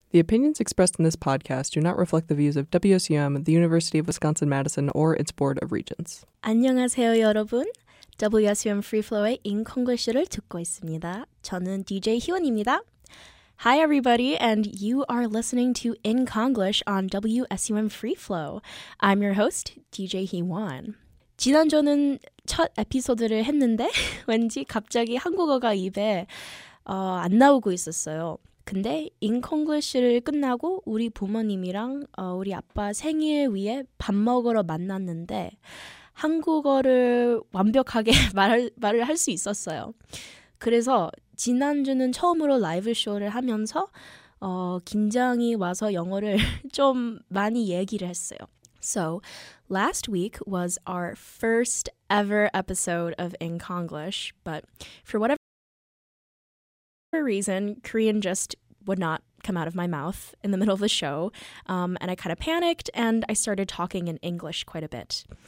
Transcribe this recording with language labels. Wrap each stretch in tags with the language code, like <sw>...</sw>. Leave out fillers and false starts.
<en>The opinions expressed in this podcast do not reflect the views of WSUM, the University of Wisconsin-Madison, or its Board of Regents.</en> <ko>안녕하세요, 여러분. WSUM FreeFlow의 In Konglish를 듣고 있습니다. 저는 DJ Heewone입니다.</ko> <en>Hi, everybody, and you are listening to In Konglish on WSUM FreeFlow. I'm your host, DJ Heewone.</en> <ko>지난주는 첫 에피소드를 했는데 왠지 갑자기 한국어가 입에 안 나오고 있었어요. 근데 인콩글리쉬를 끝나고 우리 부모님이랑 우리 아빠 생일 위해 밥 먹으러 만났는데 한국어를 완벽하게 말을 할 수 있었어요. 그래서 지난주는 처음으로 라이브 쇼를 하면서 긴장이 와서 영어를 좀 많이 얘기를 했어요.</ko> <en>So, last week was our first ever episode of In Konglish, but for whatever reason, Korean just would not come out of my mouth in the middle of the show, and I kind of panicked, and I started talking in English quite a bit.</en>